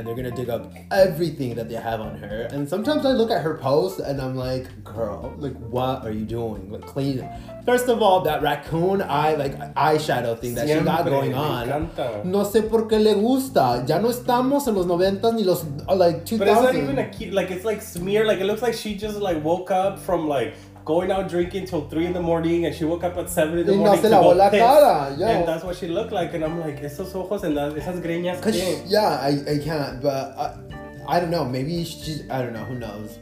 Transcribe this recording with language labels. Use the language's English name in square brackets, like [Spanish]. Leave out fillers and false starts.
[English] And they're gonna dig up everything that they have on her. And sometimes I look at her posts and I'm like, girl, like what are you doing? Like, clean. First of all, that raccoon eye, like eyeshadow thing that [Spanish] siempre [English] she got going on. [Spanish] Encanta. No sé por qué le gusta. Ya no estamos en los 90s ni los like 2000s. [English] But it's not even a key, like it's like smear. Like it looks like she just like woke up from like going out drinking till 3 in the morning, and she woke up at 7 in the morning. [Spanish] Y no se lavó la cara, yo. [English] And that's what she looked like. And I'm like, [Spanish] esos ojos [English] and [Spanish] esas greñas. [English] I can't, but. I don't know. Maybe she's. I don't know. Who knows?